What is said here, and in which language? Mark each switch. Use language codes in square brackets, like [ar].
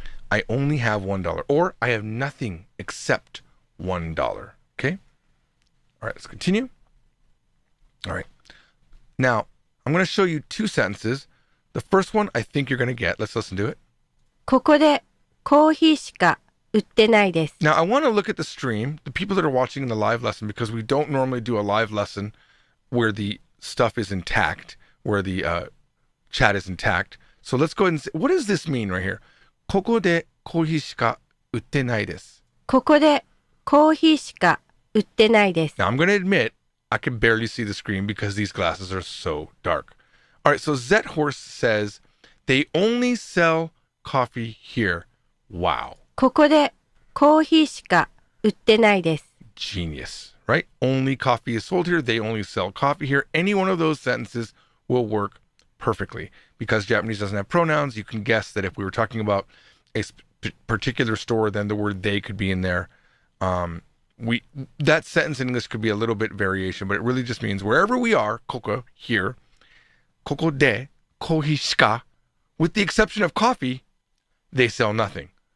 [en] I only have $1, or I have nothing except $1, okay? All right, let's continue. All right, now I'm gonna show you two sentences. The first one I think you're gonna get, let's listen to it. [ja] ここでコーヒーしか売ってないです. [en] Now I wanna look at the stream, the people that are watching in the live lesson, because we don't normally do a live lesson where the stuff is intact, where the chat is intact. So let's go ahead and see, what does this mean right here? [ja] ここでコーヒーしか売ってないです。ここでコーヒーしか売ってないです。 [en] Now, I'm going to admit, I can barely see the screen because these glasses are so dark. All right, so Zet Horse says, They only sell coffee here. Wow. [ja] ここでコーヒーしか売ってないです。 [en] Genius, right? Only coffee is sold here. They only sell coffee here. Any one of those sentences will work perfectly. Because Japanese doesn't have pronouns, you can guess that if we were talking about a particular store, then the word they could be in there. That sentence in English could be a little bit variation, but it really just means wherever we are, [ja] ここ, [en] here, [ja] ここでコーヒーしか, [en] with the exception of coffee, they sell nothing.